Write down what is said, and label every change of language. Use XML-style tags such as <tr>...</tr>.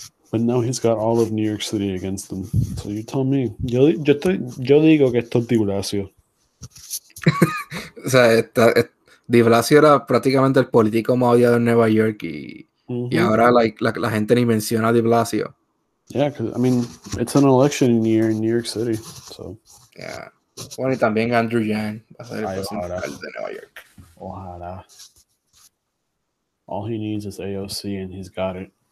<en>But now he's got all of New York City against him. So you tell me.</en> <es>Yo digo que esto es Di Blasio. O sea, de Blasio era prácticamente el político más odiado en Nueva York y ahora la gente ni menciona a de Blasio.</es> <en>Yeah, because I mean, it's an election year in New York City, so.</en> <es>Bueno, y también Andrew Yang va a ser el Ay, próximo ojalá. alcalde de Nueva York. Ojalá.</es> <en>All he needs is AOC and he's got it.</en>